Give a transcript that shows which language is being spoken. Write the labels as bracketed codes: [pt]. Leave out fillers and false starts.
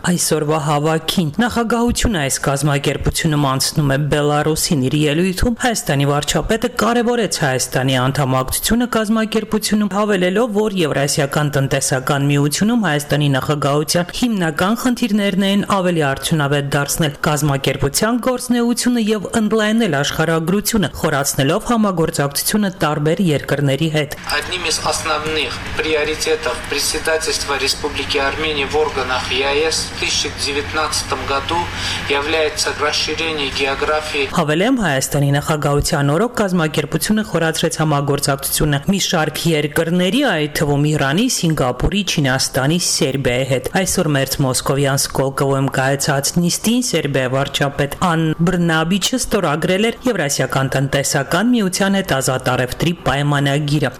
[hy] այսօրվա հավաքին։ Նախագահությունը այս կազմակերպությունում անցնում է Բելարուսին իր ելույթում։ Հայաստանի վարչապետը կարևորեց Հայաստանի անդամակցությունը կազմակերպությունում, հավելել, որ Եվրասիական տնտեսական միությունում Հայաստանի նախագահության հիմնական խնդիրներն են ավելի արդյունավետ դարձնել կազմակերպության գործնեությունը և ընդլայնել աշխարհագրությունը, խորացնելով համագործակցությունը տարբեր երկրների հետ։ [ru] Одним из основных приоритетов председательства Республики Армения в органах ЕАЭС в 2019 году является расширение географии. [hy] Հավելեմ, Հայաստանի նախագահության օրոք կազմակերպությունը խորացրեց համագործակցությունը մի շարք երկրների, այդ թվում Իրանի, Սինգապուրի, Չինաստանի, Սերբիայի հետ։ Այսօր մերձ Մոսկովյան Սկոլկովում կայացած նիստին Սերբիայի վարչապետ Ան Բրնաբիչը ստորագրել էր Եվրասիական տնտեսական միության հետ ազատ առևտրի պայմանագիրը։